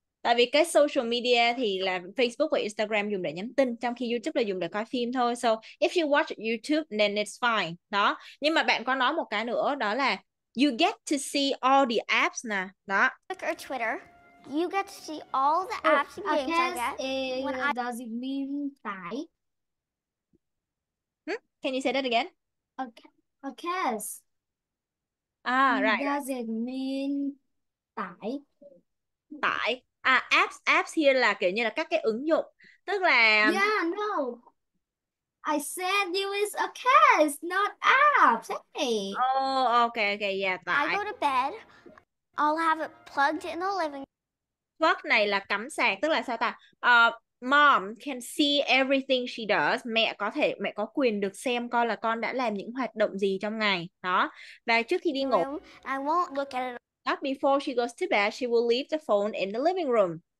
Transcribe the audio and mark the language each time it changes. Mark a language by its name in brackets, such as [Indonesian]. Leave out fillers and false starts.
[Vietnamese] Tại vì cái social media thì là Facebook và Instagram dùng để nhắn tin, trong khi YouTube là dùng để coi phim thôi. [English] So if you watch YouTube, then it's fine. [Vietnamese] Đó. Nhưng mà bạn có nói một cái nữa, đó là [English] you get to see all the apps [Vietnamese] nè. Đó. [English] Or Twitter, you get to see all the apps and games I guess I get. Does it mean tải? Can you say that again? Okay. Guess. Ah, right. Does it mean tải? [Vietnamese] Tải. À, apps, apps here là kiểu như là các cái ứng dụng. Tức là... [English] Yeah, no. I said you is a cast, not apps. Hey. Oh, okay, okay, yeah, tải. I go to bed, I'll have it plugged in the living room. [Vietnamese] Plug này là cắm sạc, tức là sao ta? [English] Mom can see everything she does. [Vietnamese] Mẹ có quyền được xem coi là con đã làm những hoạt động gì trong ngày. Đó. Và trước khi đi ngủ. [English] I won't look at it. Not before she goes to bed, she will leave the phone in the living room.